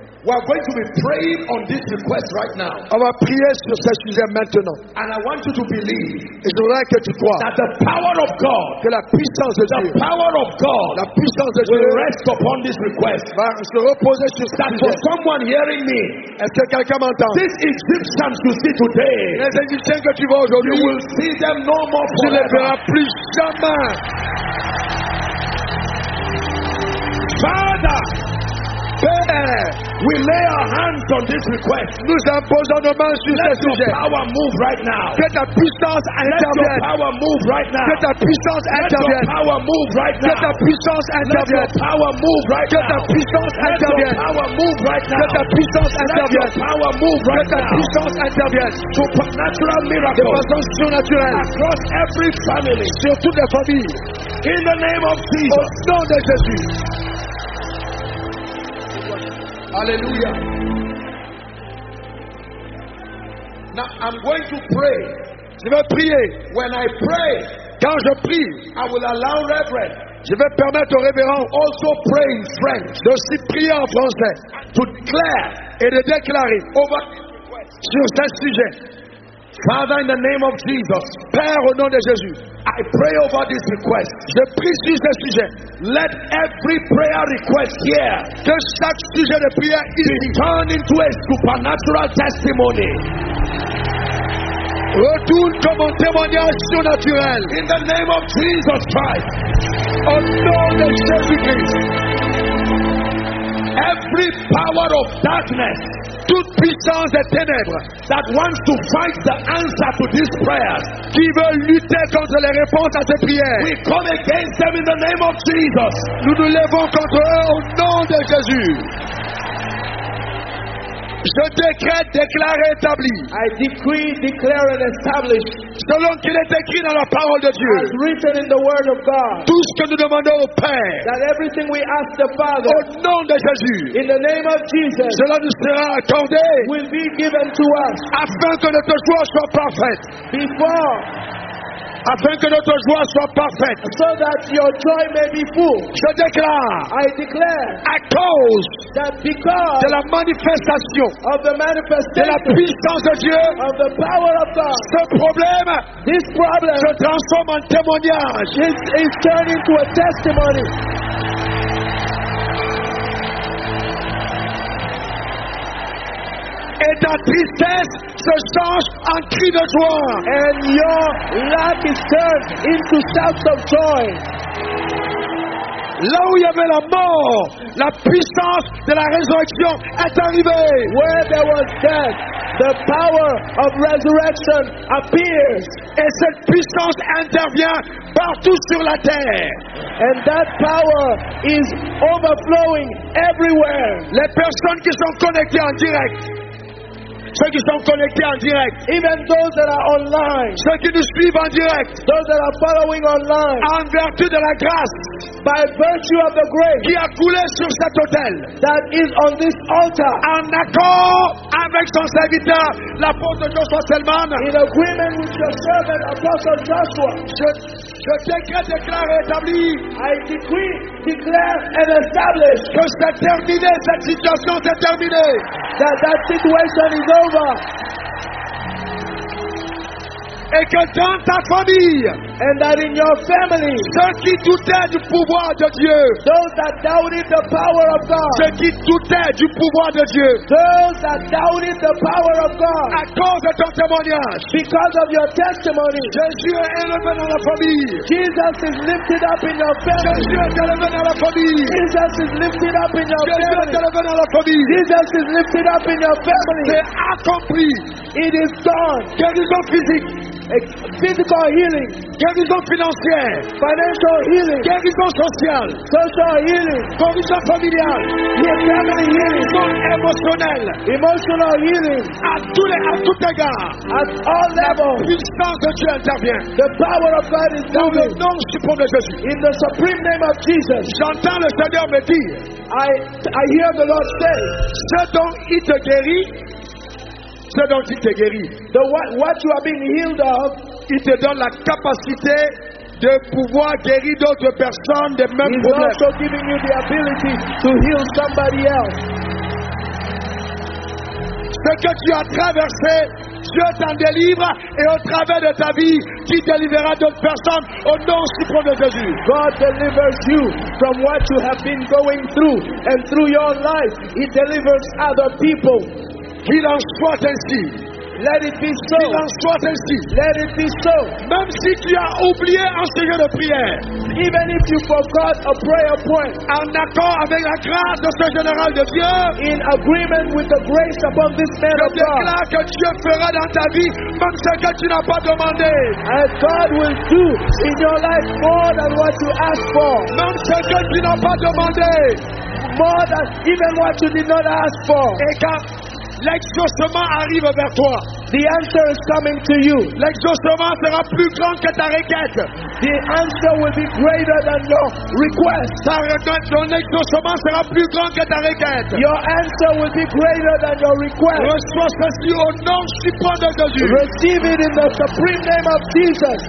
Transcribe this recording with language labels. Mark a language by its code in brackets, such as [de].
[en] We are going to be praying on this request right now. [fr] On va prier sur ce sujet maintenant. [en] And I want you to believe. [fr] Et je voudrais que tu crois. [en] That the power of God. [fr] Que la puissance de [en] the [fr] Dieu. [en] The power of God. [fr] La puissance de [en] will [fr] Dieu. [en] Will rest upon this request. [fr] Va se reposer sur ce sujet. [en] For someone hearing me. [fr] Est-ce que quelqu'un m'entend? [en] This Egyptians you see today. [fr] Les Égyptiens que tu vois aujourd'hui. [en] You will see them no more forever. [fr] Tu les verras plus jamais. [en] Father. [fr] Père. [en] prayer, we lay our hands on this request. [fr] Nous imposons nos mains sur ce sujet. [en] Let your power move right now. [fr] Que ta puissance intervienne. [en] Let your power move right now. [fr] Que ta puissance intervienne. [en] Let your power move right now. [fr] Que ta puissance intervienne. [en] Let your power move right now. [fr] Que ta puissance intervienne. [en] Let your power move right now. [fr] Que ta puissance intervienne. [en] Let your power move right now. [fr] Que ta puissance intervienne. [en] Supernatural miracle. [fr] De façon surnaturelle. [en] Across every family. [fr] Sur toutes les familles. [en] In the name of Jesus. [fr] Au nom de Jésus. [en] Hallelujah. Now I'm going to pray. [fr] Je vais prier. [en] When I pray, [fr] quand je prie, [en] I will allow reverend. [fr] Je vais permettre au révérend [en] also pray in French. [fr] De aussi prier en français. [en] To declare [fr] et de déclarer [en] over [fr] sur ce sujet. [en] Father, in the name of Jesus, [fr] Père au nom de Jésus, [en] I pray over this request. [fr] Je prie sur ce sujet. [en] Let every prayer request here, [fr] que chaque sujet de prière ici, [en] turn into a supernatural testimony. [fr] Retourne comme un témoignage surnaturel. [en] In the name of Jesus Christ, [fr] au nom de Jésus Christ, [en] every power of darkness, [fr] toute puissance des ténèbres, [en] that wants to fight the answer to this prayer, [fr] qui veut lutter contre les réponses à ces prières, [en] we come against them in the name of Jesus. [fr] Nous nous levons contre eux au nom de Jésus. Je décrète, déclare, établi. [en] I decree, declare and establish. [fr] Selon qu'il est écrit dans la parole de Dieu. [en] As written in the word of God. [fr] Tout ce que nous demandons au Père. [en] That everything we ask the Father. [fr] Au nom de Jésus. [en] In the name of Jesus. [fr] Cela nous sera accordé. [en] Will be given to us. [fr] Afin que notre joie soit parfaite. [en] Before. [fr] Afin que notre joie soit parfaite. [en] So that your joy may be full. [fr] Je déclare. [en] I declare. [fr] À cause. [en] That because. [fr] De la manifestation. [en] Of the manifestation. [fr] De la puissance de Dieu. [en] Of the power of God. [fr] Ce problème. [en] This problem. [fr] Se transforme en témoignage. [en] Is turned into a testimony. [fr] Et ta tristesse se change en cri de joie. [en] And your lack is turned into shouts of joy. [fr] Là où il y avait la mort, la puissance de la résurrection est arrivée. [en] Where there was death, the power of resurrection appears. [fr] Et cette puissance intervient partout sur la terre. [en] And that power is overflowing everywhere. [fr] Les personnes qui sont connectées en direct. Ceux qui sont connectés en direct. [en] Even those that are online. [fr] Ceux qui nous suivent en direct. [en] Those that are following online. [fr] En vertu de la grâce. [en] By virtue of the grace. [fr] Qui a coulé sur cet autel. [en] That is on this altar. [fr] En accord avec son serviteur, l'apôtre Joshua Selman. [en] In agreement with your servant, Apostle Joshua. [fr] Je décrète, déclare et établis. [en] I decree, declare and establish. [fr] Que c'est terminé, cette situation c'est terminé. [en] That situation is over. [fr] Et que dans ta famille, [en] and that in your family, [fr] ceux qui doutaient du pouvoir de Dieu, [en] those that doubted the power of God, [fr] ceux qui doutaient du pouvoir de Dieu, [en] those that doubted the power of God, [fr] à cause de ton témoignage, [en] because of your testimony, [fr] Jésus est élevé dans la famille, [en] Jesus is lifted up in your family, [fr] Jésus est élevé dans la famille, [en] Jesus is lifted up in your family, [fr] Jésus est élevé dans la famille, [en] Jesus is lifted up in your family. [fr] C'est accompli, [en] it is done. [fr] Guérison physique. [en] Physical healing. [fr] Guérison financière. [en] Financial healing. [fr] Guérison sociale. [en] Social healing. [fr] Guérison familiale. [en] Family healing. [fr] Guérison émotionnelle. [en] Emotional healing. [fr] À tout égard. [en] At all levels. [fr] La puissance de Dieu intervient. [en] The power of God is coming. [fr] Dans le nom suprême de Jésus. [en] In the supreme name of Jesus. [fr] J'entends le Seigneur me dire. [en] I hear the Lord say. [fr] Ce dont il te guérit. Ce dont il t'a guéri. [en] The what you are being healed of, [fr] il te donne la capacité de pouvoir guérir d'autres personnes des mêmes problèmes. [en] He's also giving you the ability to heal somebody else. [fr] Ce que tu as traversé, Dieu t'en délivre et au travers de ta vie, tu délivreras d'autres personnes au nom suprême de Jésus. [en] God delivers you from what you have been going through and through your life, He delivers other people. [fr] Qu'il en soit ainsi. [en] Let it be so. [fr] Qu'il en soit ainsi. [en] Let it be so. [fr] Même si tu as oublié un sujet de prière. [en] Even if you forgot a prayer point. [fr] En accord avec la grâce de ce général de Dieu. [en] In agreement with the grace upon this man of God. [fr] Je déclare que Dieu fera dans ta vie même ce que tu n'as pas demandé. [en] And God will do in your life more than what you asked for. [fr] Même ce que tu n'as pas demandé. [en] More than even what you did not ask for. [fr] Et quand l'exaucement arrive vers toi. [en] The answer is coming to you. [fr] L'exaucement sera plus grand que ta requête. [en] The answer will be greater than your request. [fr] Ton exaucement sera plus grand que ta requête. [en] Your answer will be greater than your request. [fr] Reçois ceci au nom suprême de Jésus. [en] Receive it in the supreme name of Jesus.